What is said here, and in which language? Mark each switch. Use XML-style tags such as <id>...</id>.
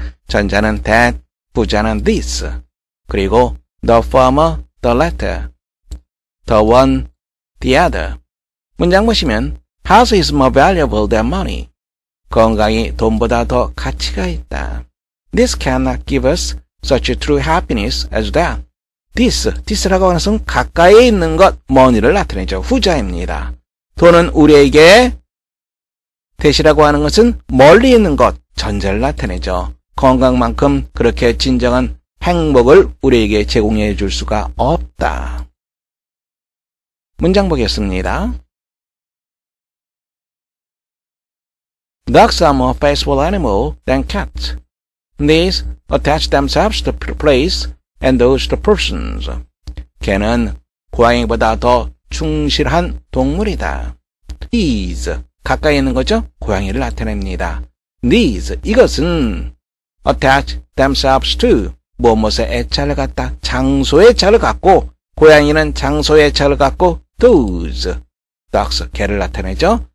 <ko>전자는 that, 후자는 this. 그리고</ko> <en>the former, the latter. The one, the other.</en> <ko>문장 보시면</ko> <en>House is more valuable than money.</en> <ko>건강이 돈보다 더 가치가 있다.</ko> <en>This cannot give us such a true happiness as that.</en> <ko>This라고 하는 것은 가까이 있는 것, money를 나타내죠. 후자입니다. 돈은 우리에게, that이라고 하는 것은 멀리 있는 것, 전자를 나타내죠. 건강만큼 그렇게 진정한 행복을 우리에게 제공해 줄 수가 없다. 문장 보겠습니다.</ko> <en>Dogs are more faithful animals than cats. These attach themselves to place and those to persons.</en> <ko>개는 고양이보다 더 충실한 동물이다. These 가까이 있는 거죠? 고양이를 나타냅니다. These 이것은</ko> <en>attach themselves to</en> <ko>무엇에 애착을 갖다 장소에 애착을 갖고 고양이는 장소에 애착을 갖고</ko> <en>those dogs</en> <ko>개를 나타내죠?</ko>